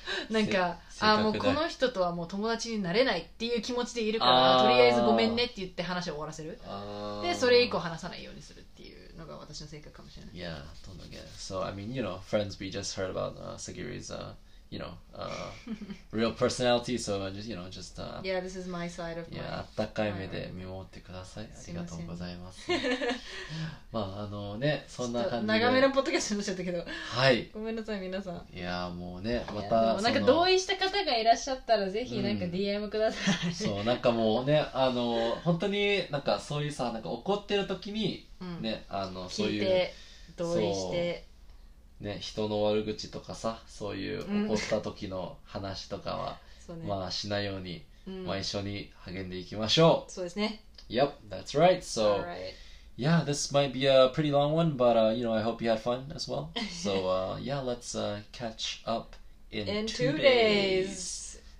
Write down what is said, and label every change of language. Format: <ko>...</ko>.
<ja>なんか、ああ、もうこの人とはもう友達になれないっていう気持ちでいるから、とりあえずごめんねって言って話を終わらせる。で、それ以降話さないようにするっていうのが私の性格かもしれない。</ja> <en>Yeah, don't get it. So, I mean, you know, friends, we just heard about Sagiri's, you know, real personality, so just, you know, just... yeah, this is my side of my...</en> <ja>Yeah, あったかい目で見守ってください。ありがとうございます。まあ、あのね、そんな感じで。長めのポッドキャストになっちゃったけど。はい。ごめんなさい、皆さん。いやもうね、また、なんか同意した方がいらっしゃったら、ぜひなんか DM ください。うん、そう、なんかもうね、あの、本当になんかそういうさ、なんか怒ってる時にね、ね、うん、あの、聞いてそういう。同意して。ね、人の悪口とかさそういう怒った時の話とかは、うん、まあしないように、うん、まあ一緒に励んでいきましょうそうですね</ja> <en>Yep, that's right So, right. yeah, this might be a pretty long one But, you know, I hope you had fun as well So, yeah, let's catch up in two days</en>